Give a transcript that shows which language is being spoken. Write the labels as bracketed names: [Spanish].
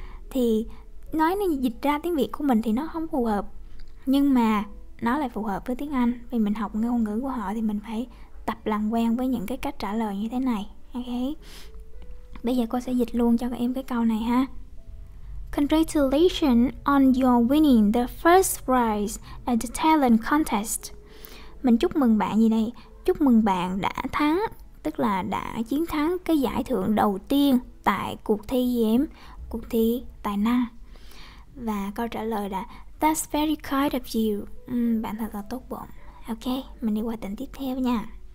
[Vietnamese] Thì nói nó dịch ra tiếng Việt của mình thì nó không phù hợp, nhưng mà nó lại phù hợp với tiếng Anh. Vì mình học ngôn ngữ của họ thì mình phải tập làm quen với những cái cách trả lời như thế này. Ok, bây giờ cô sẽ dịch luôn cho các em cái câu này ha. [English] Congratulations on your winning the first prize at the talent contest. [Vietnamese] Mình chúc mừng bạn gì đây? Chúc mừng bạn đã thắng, tức là đã chiến thắng cái giải thưởng đầu tiên tại cuộc thi gì em? Cuộc thi tài năng. Và câu trả lời là [English] That's very kind of you. [Vietnamese] Bạn thật là tốt bụng. Ok, mình đi qua tỉnh tiếp theo nha.